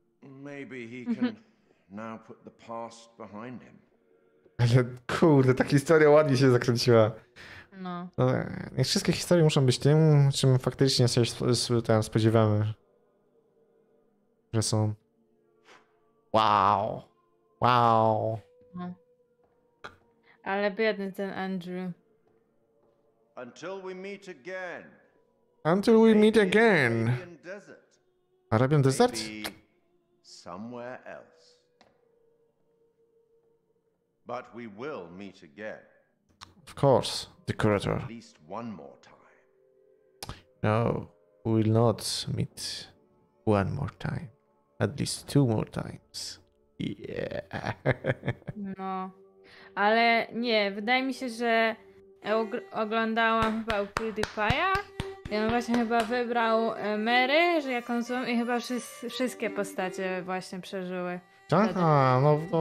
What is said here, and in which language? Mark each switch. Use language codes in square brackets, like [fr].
[en] Maybe he can now put the past behind him. [pl] Ale kurde, ta historia ładnie się zakręciła. No. Niech wszystkie historie muszą być tym, czym faktycznie się spodziewamy. Że są. Wow. Wow. No. Ale biedny ten Andrew. [en] Until we meet again. Until we meet again. Arabian desert? Somewhere else. But we will meet again. Of course, the curator. At least one more time. No, we will not meet one more time. At least two more times. Yeah. [pl] No, ale nie, wydaje mi się, że oglądałam chyba PewDiePie'a. I on właśnie chyba wybrał Mary, że jaką złą, i chyba wszystkie postacie właśnie przeżyły. Aha, no.